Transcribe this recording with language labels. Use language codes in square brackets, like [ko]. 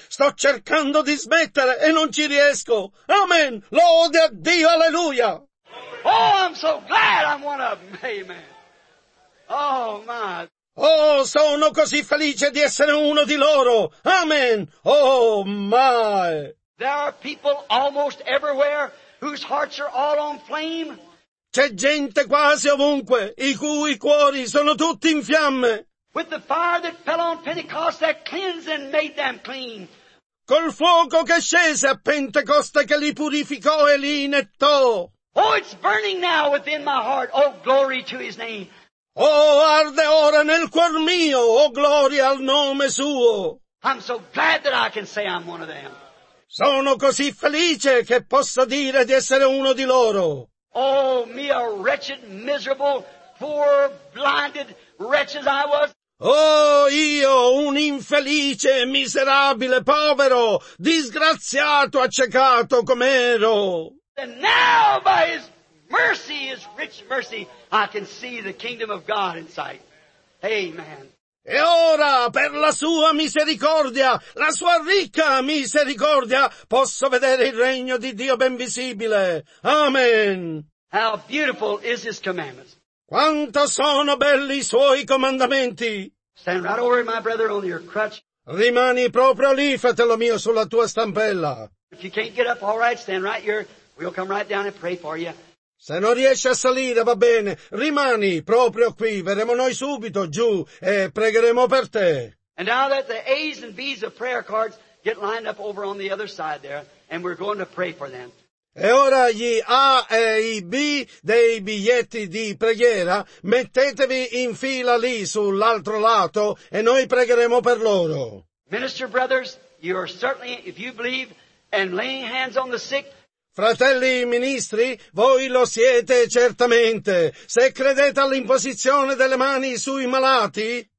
[it] Sto cercando di smettere e non ci riesco. Amen. Lode a Dio. Alleluia. [en] Oh, I'm so glad I'm one of them. Amen. Oh, my. [it] Oh, sono così felice di essere uno di loro. [en] Amen. Oh, my. There are people almost everywhere whose hearts are all on flame. [it] C'è gente quasi ovunque, i cui cuori sono tutti in fiamme. [en] With the fire that fell on Pentecost that cleansed and made them clean. [it] Col fuoco che scese a Pentecoste che li purificò e li inettò. [en] Oh, it's burning now within my heart, oh glory to his name. [it] Oh, arde ora nel cuor mio, oh gloria al nome suo. [en] I'm so glad that I can say I'm one of them. [it] Sono così felice che possa dire di essere uno di loro. [en] Oh, me a wretched, miserable, poor, blinded wretch as I was. [it] Oh, io, un infelice, miserabile, povero, disgraziato, accecato com'ero. [en] And now, by his rich mercy, I can see the kingdom of God in sight. Amen. [it] E ora, per la sua misericordia, la sua ricca misericordia, posso vedere il regno di Dio ben visibile. Amen. [en] How beautiful is his commandments. [it] Quanto sono belli i suoi comandamenti. [en] Stand right over, my brother, on your crutch. [it] Rimani proprio lì, fratello mio, sulla tua stampella. [en] If you can't get up, all right, stand right here. We'll come right down and pray for you. [it] Se non riesci a salire, va bene, rimani proprio qui, verremo noi subito giù e pregheremo per te. [en] And now that the A's and B's of prayer cards get lined up over on the other side there, and we're going to pray for them. [it] E ora gli A e i B dei biglietti di preghiera, mettetevi in fila lì sull'altro lato e noi pregheremo per loro. [en] Minister brothers, you are certainly, if you believe, and laying hands on the sick. [it] Fratelli ministri, voi lo siete certamente. Se credete all'imposizione delle mani sui malati,